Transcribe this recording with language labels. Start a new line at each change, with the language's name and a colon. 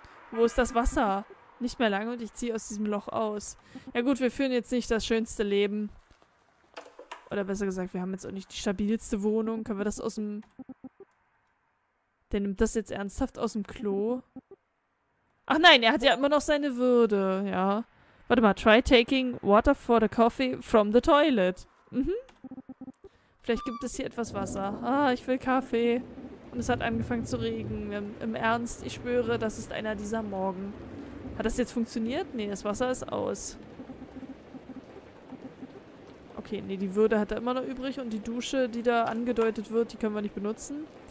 German: Wo ist das Wasser? Nicht mehr lange und ich ziehe aus diesem Loch aus. Ja gut, wir führen jetzt nicht das schönste Leben. Oder besser gesagt, wir haben jetzt auch nicht die stabilste Wohnung. Können wir das aus dem... Der nimmt das jetzt ernsthaft aus dem Klo? Ach nein, er hat ja immer noch seine Würde, ja. Warte mal,
English: try taking water for the coffee from the toilet. Mhm.
German: Vielleicht gibt es hier etwas Wasser. Ah, ich will Kaffee. Und es hat angefangen zu regnen. Im Ernst, ich schwöre, das ist einer dieser Morgen. Hat das jetzt funktioniert? Nee, das Wasser ist aus. Okay, nee, die Würde hat er immer noch übrig. Und die Dusche, die da angedeutet wird, die können wir nicht benutzen.